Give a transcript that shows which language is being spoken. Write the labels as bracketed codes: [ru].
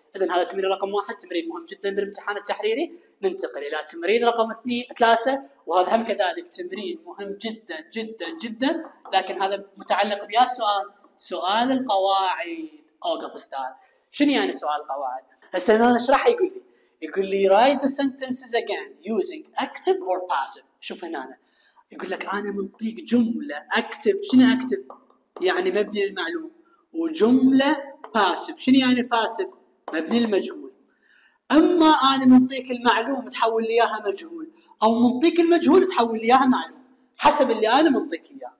[ar] إذن هذا التمرين رقم واحد، تمرين مهم جدا بالامتحان التحريري. ننتقل إلى تمرين رقم ثلاثة، وهذا هم كذلك تمرين مهم جدا جدا جدا، لكن هذا متعلق بيا سؤال، سؤال القواعد. أوقف أستاذ، شنو يعني سؤال القواعد؟ هسه أنا أشرح. يقول لي [en] write the sentences again using active or passive. [ar] شوف هنا أنا. يقول لك أنا منطيق جملة active، شنو active؟ يعني مبني المعلوم. وجملة passive، شنو يعني passive؟ مبني المجهول. أما أنا منطيق المعلوم تحول لي إياها مجهول، أو منطيق المجهول تحول لي إياها معلوم، حسب اللي أنا منطيق إياه.